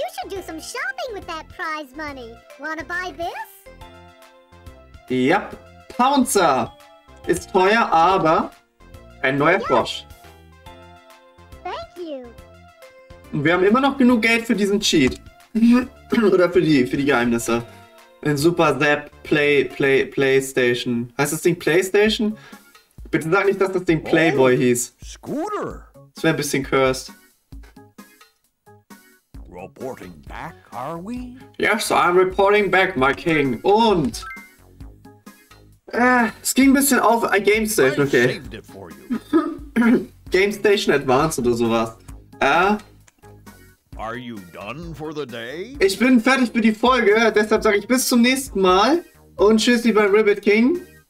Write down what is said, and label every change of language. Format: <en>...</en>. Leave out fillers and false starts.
<en>Do some shopping with that prize money. Wanna buy this?</en> <de>Yep, Pouncer ist teuer, aber ein neuer Frosch.</de> <en>Thank you.</en> <de>Und wir haben immer noch genug Geld für diesen Cheat oder für die Geheimnisse. Ein Super Zap PlayStation. Heißt das Ding PlayStation? Bitte sag nicht, dass das Ding Playboy hieß. Scooter. Das wäre ein bisschen cursed.</de> <en>Reporting back, are we? Yes, I'm reporting back, my king.</en> <de>Und es ging ein bisschen auf Game Station, okay. Game Station Advance oder sowas.</de> <en>Are you done for the day?</en> <de>Ich bin fertig für die Folge, deshalb sage ich bis zum nächsten Mal und tschüssi bei Ribbit King.</de>